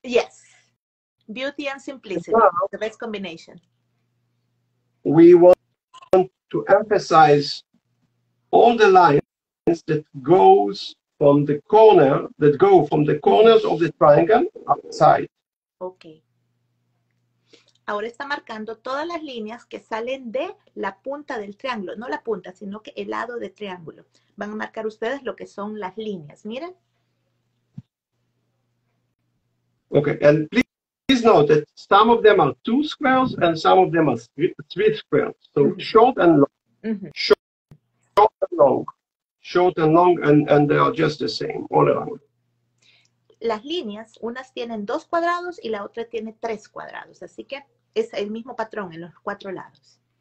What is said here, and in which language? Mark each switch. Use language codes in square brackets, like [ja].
[en] Yes, beauty and simplicity, well, the best combination. We want to emphasize all the lines that goes from the corner, that go from the corners of the triangle outside. Okay. [es] Ahora está marcando todas las líneas que salen de la punta del triángulo. No la punta, sino que el lado de triángulo. Van a marcar ustedes lo que son las líneas. Miren. [en] Okay, and please note that some of them are 2 squares and some of them are 3 squares. So mm-hmm. short and long. Mm-hmm. Short and long. Short and long, and they are just the same all around. [es] Las líneas, unas tienen 2 cuadrados y la otra tiene 3 cuadrados. Así que es el mismo patrón en los 4 lados.